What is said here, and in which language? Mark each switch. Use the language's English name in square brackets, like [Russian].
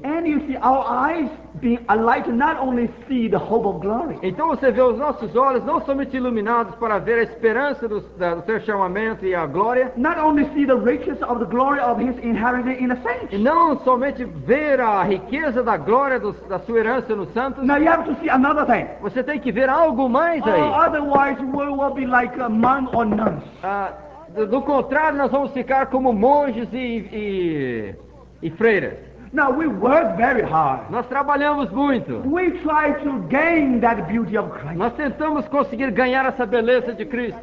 [English] And you see our eyes being enlightened not only see the hope of glory. [Portuguese] Então você vê os nossos olhos não somente iluminados para ver a esperança do seu chamamento e a glória. [English] Not only see the riches of the glory of his inheritance in the saints. [Portuguese] E não somente ver a riqueza da glória da sua herança nos santos. [English] Now you have to see another thing. [Portuguese] Você tem que ver algo mais aí. [English] Otherwise we will be like a monk or nuns. [Portuguese] Do contrário, nós vamos ficar como monges e freiras. [English] Now we work very hard. [Portuguese] Nós trabalhamos muito. [English] We try to gain that beauty of Christ. [Portuguese] Nós tentamos conseguir ganhar essa beleza de Cristo.